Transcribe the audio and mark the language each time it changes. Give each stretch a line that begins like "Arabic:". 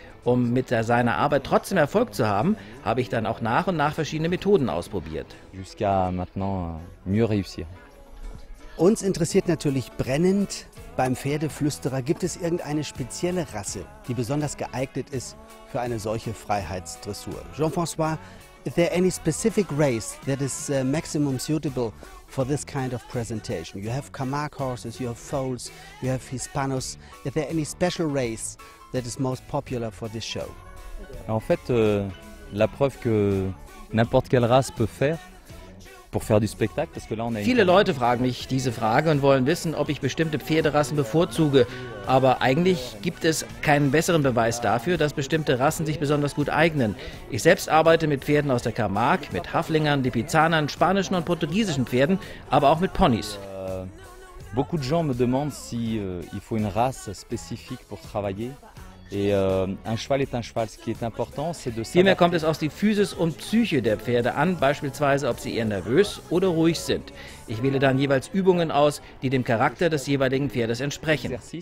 German: Um mit seiner Arbeit trotzdem Erfolg zu haben, habe ich dann auch nach und nach verschiedene Methoden ausprobiert.
French: Jusqu'à maintenant mieux réussir.
German: Uns interessiert natürlich brennend beim Pferdeflüsterer, gibt es irgendeine spezielle Rasse, die besonders geeignet ist für eine solche Freiheitsdressur?
English: Jean-François, is there any specific race that is maximum suitable for this kind of presentation? You have Camargue horses, you have foals, you have Hispanos. Is there any special race that is most popular for this show?
French: En fait, la preuve que n'importe quelle race peut faire.
German: Viele Leute fragen mich diese Frage und wollen wissen, ob ich bestimmte Pferderassen bevorzuge. Aber eigentlich gibt es keinen besseren Beweis dafür, dass bestimmte Rassen sich besonders gut eignen. Ich selbst arbeite mit Pferden aus der Camargue, mit Haflingern, Lipizzanern, spanischen und portugiesischen Pferden, aber auch mit Ponys.
French: Beaucoup de gens me demandent si il faut une race spécifique pour travailler.
German: Vielmehr kommt es auf die Physis und Psyche der Pferde an, beispielsweise ob sie eher nervös oder ruhig sind. Ich wähle dann jeweils Übungen aus, die dem Charakter des jeweiligen Pferdes entsprechen.